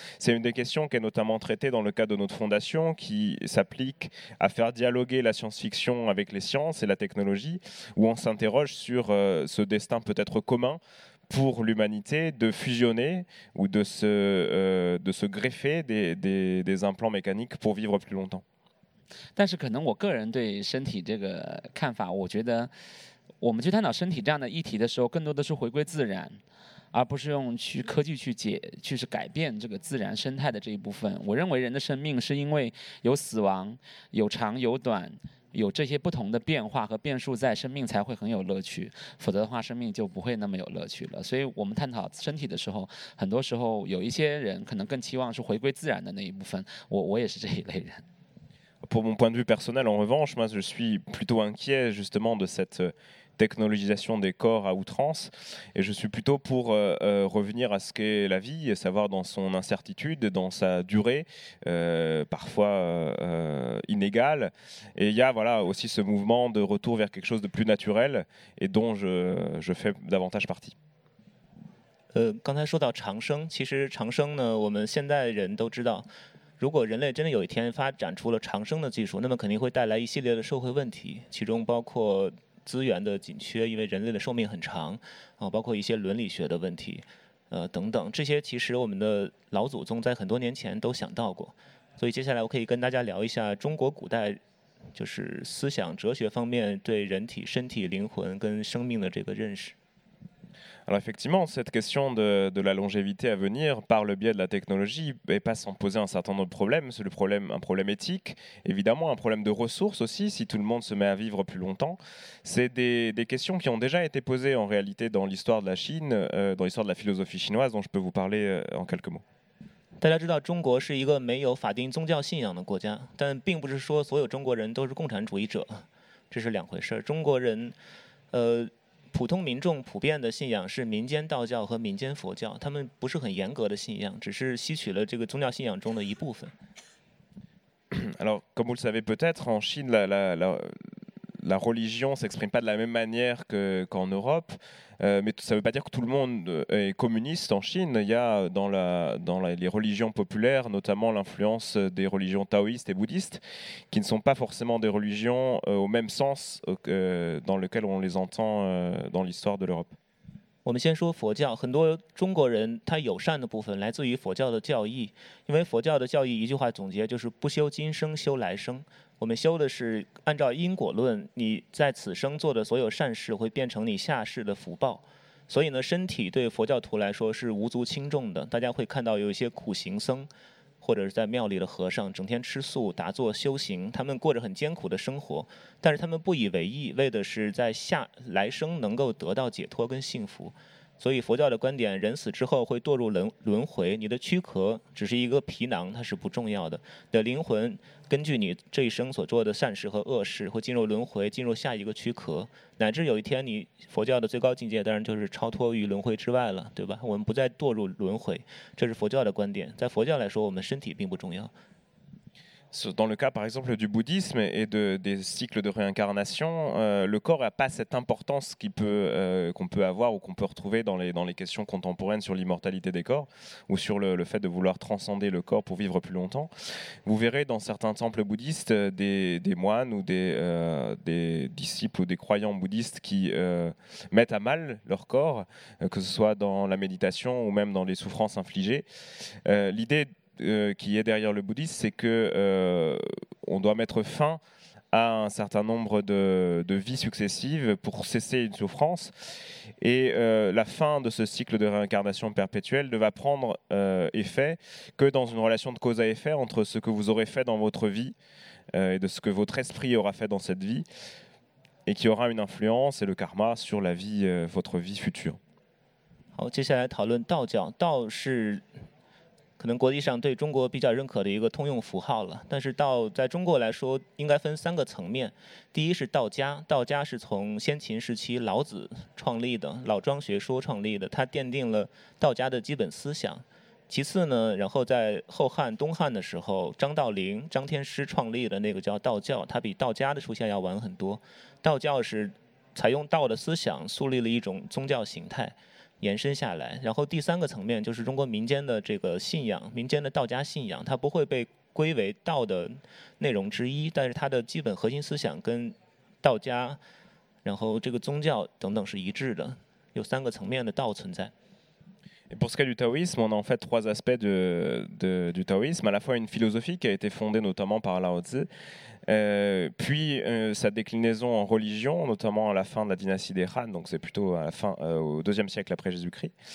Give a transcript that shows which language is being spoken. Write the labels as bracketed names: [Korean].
[French] C'est une des questions qui est notamment traitée dans le cadre de notre fondation, qui s'applique à faire dialoguer la science-fiction avec les sciences et la technologie, où on s'interroge sur ce destin peut-être commun pour l'humanité de fusionner ou de se greffer des implants mécaniques pour vivre plus longtemps. [Chinese] 但是可能我个人对身体这个看法，我觉得我们去探讨身体这样的议题的时候，更多的是回归自然，而不是用去科技去是改变这个自然生态的这一部分。我认为人的生命是因为有死亡，有长有短，有这些不同的变化和变数在，生命才会很有乐趣，否则的话生命就不会那么有乐趣了。所以我们探讨身体的时候，很多时候有一些人可能更期望是回归自然的那一部分， 我也是这一类人。 [French] Pour mon point de vue personnel, en revanche, moi je suis plutôt inquiet justement de cette technologisation des corps à outrance, et je suis plutôt pour revenir à ce qu'est la vie, à savoir dans son incertitude, dans sa durée, parfois inégale. Et il y a voilà, aussi ce mouvement de retour vers quelque chose de plus naturel et dont je fais davantage partie. [Chinese] 刚才说到长生，其实长生呢，我们现代人都知道，如果人类真的有一天发展出了长生的技术，那么肯定会带来一系列的社会问题，其中包括资源的紧缺，因为人类的寿命很长，包括一些伦理学的问题，等等，这些其实我们的老祖宗在很多年前都想到过。所以接下来我可以跟大家聊一下中国古代就是思想哲学方面对人体身体灵魂跟生命的这个认识。 [French] Alors effectivement, cette question de la longévité à venir par le biais de la technologie n'est pas sans poser un certain nombre de problèmes. C'est un problème éthique, évidemment un problème de ressources aussi, si tout le monde se met à vivre plus longtemps. C'est des questions qui ont déjà été posées en réalité dans l'histoire de la Chine, dans l'histoire de la philosophie chinoise, dont je peux vous parler en quelques mots. [Chinese] 大家知道中国是一个没有法定宗教信仰的国家，但并不是说所有中国人都是共产主义者，这是两回事。中国人，普通民众普遍的信仰是民间道教和民间佛教，他们不是很严格的信仰，只是吸取了这个宗教信仰中的一部分。 [French] Alors, comme vous le savez peut-être, en Chine, la religion s'exprime pas de la même manière qu'en Europe. Mais ça ne veut pas dire que tout le monde est communiste en Chine. Il y a dans les religions populaires, notamment l'influence des religions taoïstes et bouddhistes, qui ne sont pas forcément des religions au même sens dans lequel on les entend dans l'histoire de l'Europe. [Chinese] 我们先说佛教，很多中国人他友善的部分来自于佛教的教义，因为佛教的教义一句话总结就是不修今生修来生。我们修的是按照因果论，你在此生做的所有善事会变成你下世的福报，所以呢，身体对佛教徒来说是无足轻重的。大家会看到有一些苦行僧，或者是在庙里的和尚，整天吃素、打坐、修行，他们过着很艰苦的生活，但是他们不以为意，为的是在下来生能够得到解脱跟幸福。所以佛教的观点，人死之后会堕入轮回，你的躯壳只是一个皮囊，它是不重要的。你的灵魂根据你这一生所做的善事和恶事，会进入轮回，进入下一个躯壳，乃至有一天你佛教的最高境界，当然就是超脱于轮回之外了，对吧？我们不再堕入轮回，这是佛教的观点。在佛教来说，我们身体并不重要。 [French] Dans le cas, par exemple, du bouddhisme et des cycles de réincarnation, le corps n'a pas cette importance qu'on peut avoir ou qu'on peut retrouver dans les questions contemporaines sur l'immortalité des corps ou sur le fait de vouloir transcender le corps pour vivre plus longtemps. Vous verrez dans certains temples bouddhistes des moines ou des disciples ou des croyants bouddhistes qui mettent à mal leur corps, que ce soit dans la méditation ou même dans les souffrances infligées. L'idée qui est derrière le bouddhisme, c'est que on doit mettre fin à un certain nombre de vies successives pour cesser une souffrance. Et la fin de ce cycle de réincarnation perpétuelle ne va prendre effet que dans une relation de cause à effet entre ce que vous aurez fait dans votre vie et de ce que votre esprit aura fait dans cette vie et qui aura une influence et le karma sur la vie, votre vie future. [Chinese] 好，接下来讨论道教。道是可能国际上对中国比较认可的一个通用符号了，但是道在中国来说应该分三个层面。第一是道家，道家是从先秦时期老子创立的，老庄学说创立的，它奠定了道家的基本思想。其次呢，然后在后汉东汉的时候，张道陵张天师创立的那个叫道教，它比道家的出现要晚很多。道教是采用道的思想树立了一种宗教形态延伸下来，然后第三个层面就是中国民间的这个信仰，民间的道家信仰，它不会被归为道的内容之一，但是它的基本核心思想跟道家，然后这个宗教等等是一致的，有三个层面的道存在。 [French] Et pour ce qui est du taoïsme, on a en fait trois aspects du taoïsme. À la fois une philosophie qui a été fondée notamment par Lao Tzu, puis sa déclinaison en religion, notamment à la fin de la dynastie des Han, donc c'est plutôt à la fin, au IIe siècle après Jésus-Christ.